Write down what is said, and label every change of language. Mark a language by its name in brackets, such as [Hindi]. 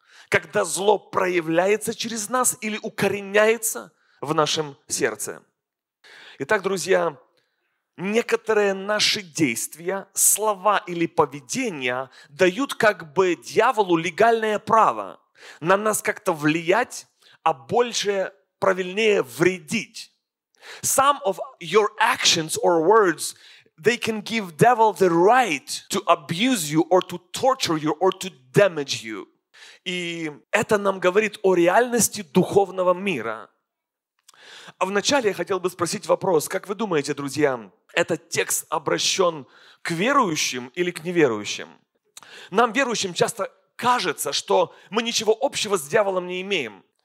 [Russian] Когда зло проявляется через нас или укореняется в нашем сердце. Итак, друзья, некоторые наши действия, слова или поведения дают как бы дьяволу легальное право на нас как-то влиять, а больше, правильнее, вредить. [English] Some of your actions or words, they can give devil the right to abuse you or to torture you or to damage you. [Russian] И это нам говорит о реальности духовного мира. А вначале я хотел бы спросить вопрос, как вы думаете, друзья, этот текст обращен к верующим или к неверующим? Нам, верующим, часто кажется, что мы ничего общего с дьяволом не имеем.